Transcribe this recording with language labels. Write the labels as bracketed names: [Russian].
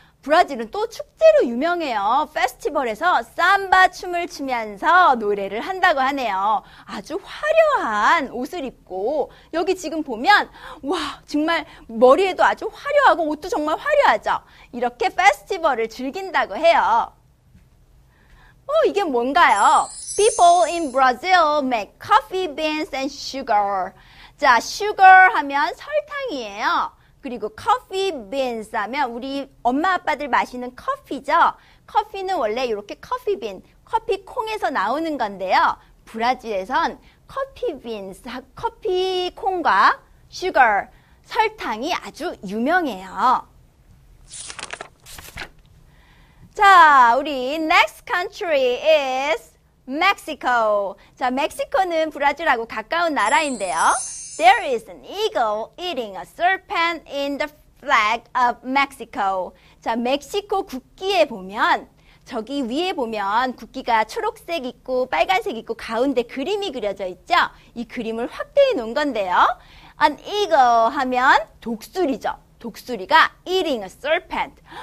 [Korean] 브라질은 또 축제로 유명해요. 페스티벌에서 삼바 춤을 추면서 노래를 한다고 하네요. 아주 화려한 옷을 입고 여기 지금 보면 와, 정말 머리에도 아주 화려하고 옷도 정말 화려하죠. 이렇게 페스티벌을 즐긴다고 해요. 어, 이게 뭔가요? [English] People in Brazil make coffee beans and sugar. [Korean] 자, sugar 하면 설탕이에요. 그리고 커피 빈스 하면 우리 엄마 아빠들 마시는 커피죠. 커피는 원래 이렇게 커피 빈, 커피 콩에서 나오는 건데요. 브라질에선 커피 빈스, 커피 콩과 슈거, 설탕이 아주 유명해요. 자, 우리 [English] next country is Mexico. [Korean] 자, 멕시코는 브라질하고 가까운 나라인데요. [English] There is an eagle eating a serpent in the flag of Mexico. [Korean] 자, 멕시코 국기에 보면 저기 위에 보면 국기가 초록색 있고 빨간색 있고 가운데 그림이 그려져 있죠? 이 그림을 확대해 놓은 건데요. [English] An eagle [Korean] 하면 독수리죠. 독수리가 [English] eating a serpent.